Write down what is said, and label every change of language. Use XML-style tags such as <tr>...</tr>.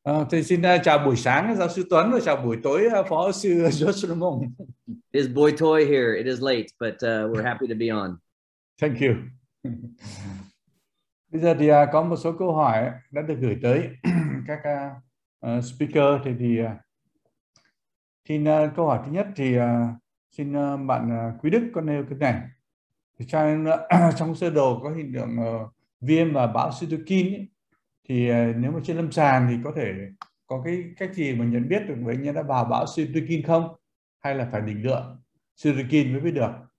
<vi>Thầy xin chào buổi sáng giáo sư Tuấn và chào buổi tối phó sư Joshua Mong.</vi> <en>Keith. It's boy toy here. It is late, but we're happy to be on. Thank you.</en> <vi>Bây giờ thì có một số câu hỏi đã được gửi tới các speaker. Thì câu hỏi thứ nhất thì xin bạn Quý Đức có nêu cái này. Thì trong sơ đồ có hiện tượng viêm và bão cytokine ấy, thì nếu mà trên lâm sàng thì có thể có cái cách gì mà nhận biết được bệnh nhân đã vào bão cytokine không, hay là phải định lượng cytokine mới biết được.</vi>